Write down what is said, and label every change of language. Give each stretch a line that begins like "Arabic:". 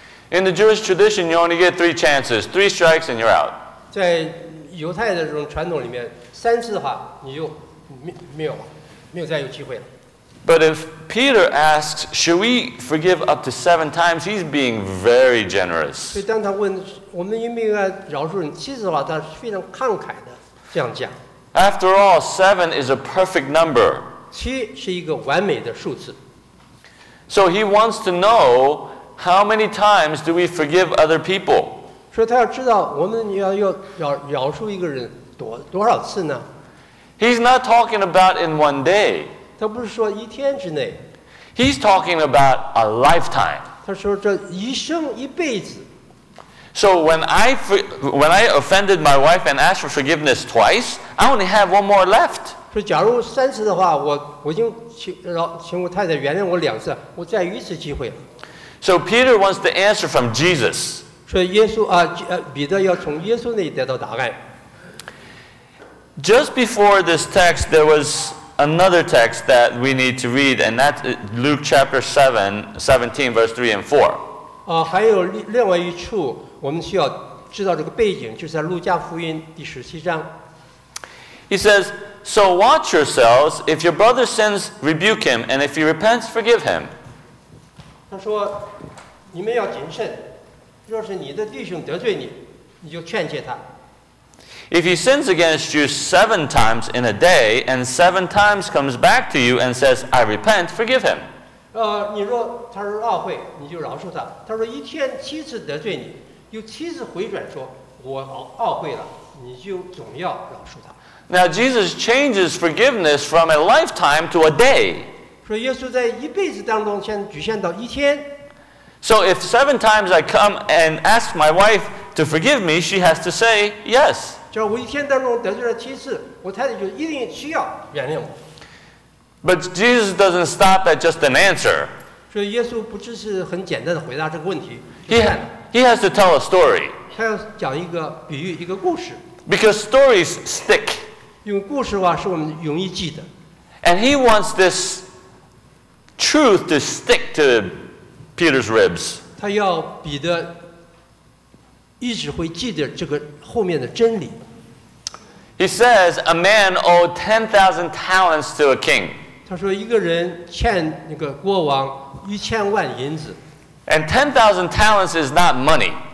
English: In the Jewish tradition, you only get three chances, three strikes, and you're out.
Chinese: 在犹太的这种传统里面，三次的话，你就没有再有机会了。
English: But if Peter asks, should we forgive up to seven times, he's being very generous.
Chinese: 所以当他问我们应不应该饶恕你七次的话，他是非常慷慨的这样讲。
English: After all, seven is a perfect number.
Chinese: 七是一个完美的数字。
English: So he wants to know how many times do we forgive other people.
Chinese: 所以他要知道我们要饶恕一个人多少次呢？
English: He's not talking about in one day.
Chinese: 他不是说一天之内。
English: He's talking about a lifetime.
Chinese: 他说这一生一辈子。
English: So when I offended my wife and asked for forgiveness twice, I only have one more left.
Chinese: 说假如三次的话，我已经请我太太原谅我两次，我再有一次机会了。
English: So Peter wants the answer from Jesus.
Chinese: 说耶稣彼得要从耶稣那里得到答案。
English: Just before this text, there was another text that we need to read, and that's Luke chapter 7, 17, verse 3 and 4.
Chinese: 还有另外一处我们需要知道这个背景，就是在路加福音第十七章。
English: He says, so watch yourselves, if your brother sins, rebuke him, and if he repents, forgive him.
Chinese: 他说，你们要谨慎，若是你的弟兄得罪你，你就劝诫他。
English: If he sins against you seven times in a day, and seven times comes back to you and says, I repent, forgive him.
Chinese: 你若他说懊悔，你就饶恕他。他说一天七次得罪你，有七次回转说，我懊悔了，你就总要饶恕他。
English: Now Jesus changes forgiveness from a lifetime to a day.
Chinese: 说耶稣在一辈子当中先局限到一天。
English: So if seven times I come and ask my wife to forgive me, she has to say yes.
Chinese: 就我一天当中得罪了七次，我太太就一定需要原谅我。
English: But Jesus doesn't stop at just an answer.
Chinese: 所以耶稣不只是很简单的回答这个问题。
English: He has to tell a story.
Chinese: 他要讲一个比喻，一个故事。
English: Because stories stick.
Chinese: 用故事的话是我们容易记的。
English: And he wants this truth to stick to Peter's ribs.
Chinese: 他要彼得一直会记得这个后面的真理。
English: He says a man owed 10,000 talents to a king.
Chinese: 他说一个人欠那个国王一千万银子。
English: And 10,000 talents is not money.